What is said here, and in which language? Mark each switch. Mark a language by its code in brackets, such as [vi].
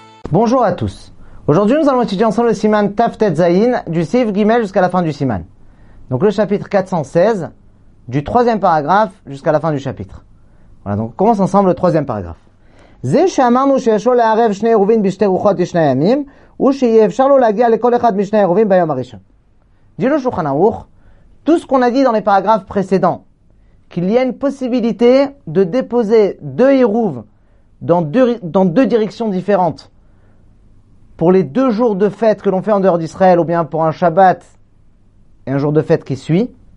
[fr] Bonjour à tous. Aujourd'hui, nous allons étudier ensemble le Siman Taf Tet Zayin du Sif Gimel jusqu'à la fin du Siman. Donc le chapitre 416, du troisième paragraphe jusqu'à la fin du chapitre. Voilà, donc on commence ensemble le troisième paragraphe. [he] זה שאמרנו שישו לערב שני עירובים בשתי רוחות לשני ימים, הוא שיהיה אפשר לו להגיע לכל אחד משני עירובים ביום הראשון. דינו שולחן ערוך, [fr] tout ce qu'on a dit dans les paragraphes précédents, qu'il y a une possibilité de déposer deux עירובים dans deux directions différentes, pour les deux jours de fête que l'on fait en dehors d'Israël, ou bien pour un Shabbat et un jour de fête qui suit,